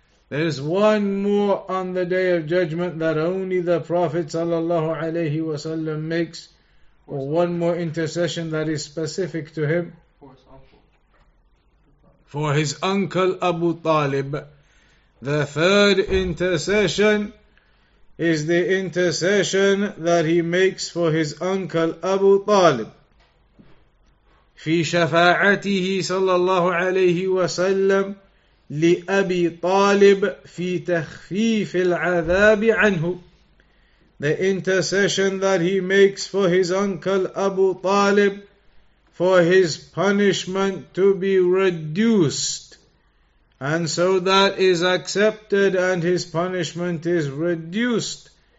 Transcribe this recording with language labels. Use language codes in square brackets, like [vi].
[en] There is one more on the Day of Judgment that only the Prophet ﷺ makes, or one more intercession that is specific to him. For his uncle Abu Talib. The third intercession is the intercession that he makes for his uncle Abu Talib. [ar] في شفاعته صلى الله عليه وسلم لأبي طالب في تخفيف العذاب عنه. [en] The intercession that he makes for his uncle Abu Talib for his punishment to be reduced. And so that is accepted and his punishment is reduced.